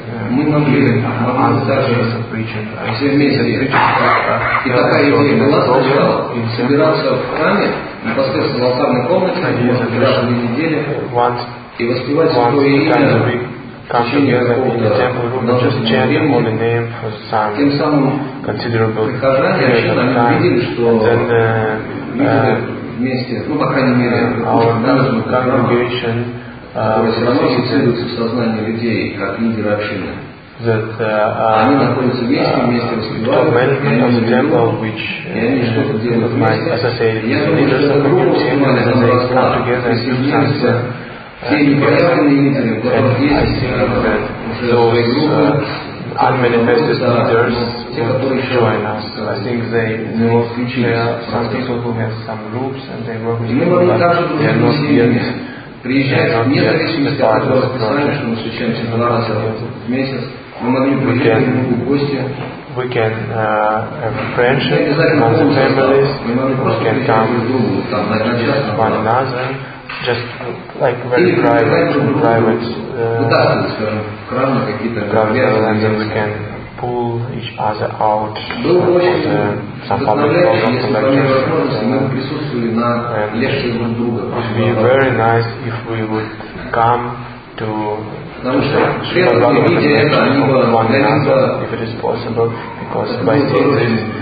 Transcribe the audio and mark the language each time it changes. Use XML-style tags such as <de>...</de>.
<ru>Мы могли также все вместе, и такая идея была сначала, собираться в храме, непосредственно в алтарной комнате, может быть, раз в неделю, и воспевать святое имя.</ru> <en>Come together in the temple room, just chanting on the name for some considerable time. And then</en> <ru>вместе, ну, по крайней мере,</ru> <en>our congregation,</en> <ru>которая в сознании людей, как лидеры общины.</ru> <en>That if it is possible, because by seeing</en>